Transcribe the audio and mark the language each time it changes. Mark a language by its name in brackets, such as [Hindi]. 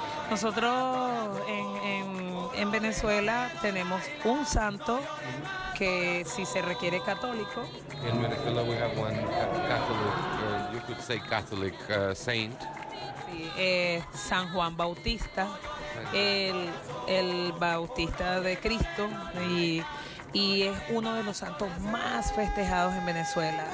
[Spanish] Nosotros en Venezuela tenemos un santo que si se requiere católico. [English] In Venezuela, we have one Catholic. You could say Catholic saint. [Spanish] Sí, San Juan Bautista, el Bautista de Cristo, y es uno de los santos más festejados en Venezuela.